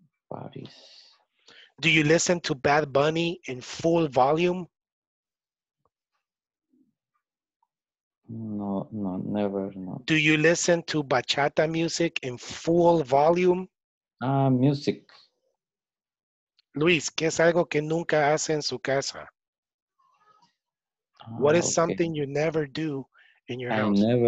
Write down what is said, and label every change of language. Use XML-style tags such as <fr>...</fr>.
<en>Parties. Do you listen to Bad Bunny in full volume? No, never. Do you listen to bachata music in full volume? Music.</en> <es>Luis, ¿qué es algo que nunca hace en su casa?</es> <en>What is something you never do in your house?</en>